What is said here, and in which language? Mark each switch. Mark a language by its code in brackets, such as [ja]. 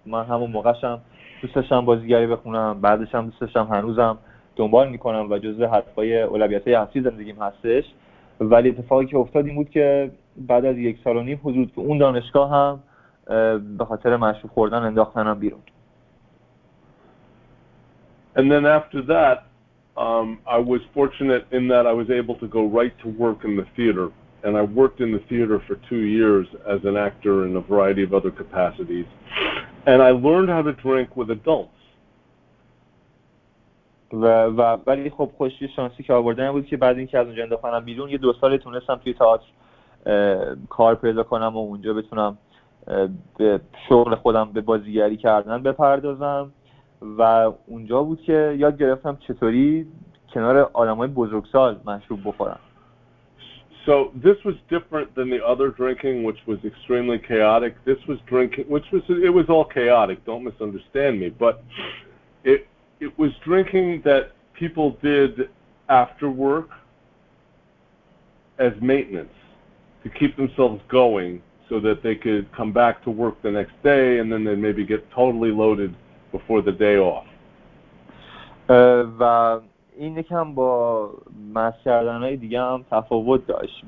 [fa] من همون موقعشم دوست داشتم بازیگری بخونم، بعدش هم دوست داشتم، هنوزم دنبال میکنم و جزء حرفای اولویت های اصلی زندگیم هستش. ولی اتفاقی که افتاد این بود که بعد از یک سال و نیم حضور تو اون دانشگاه هم به خاطر مشروب خوردن انداختنم بیرون. [en] And then after that I was fortunate in that I was able to go right to work in the theater, and I worked in the theater for 2 years as an actor in a variety of other capacities, and I learned how to drink with adults. [fa] و ولی خب خوشی شانسی که آوردن بود که بعد اینکه از اونجا انداختنم بیرون یه دو سال تونستم توی تئاتر کار پیدا کنم و اونجا بتونم به شغل خودم به بازیگری کردن بپردازم. و اونجا بود که یاد گرفتم چطوری کنار آدمای بزرگسال مشروب بخورم. [en] So this was different than the other drinking, which was extremely chaotic. This was drinking, it was all chaotic, don't misunderstand me, but it was drinking that people did after work as maintenance to keep themselves going so that they could come back to work the next day and then they maybe get totally loaded before the day off. [fa] و این یکم با مست کردنهای دیگه هم تفاوت داشت.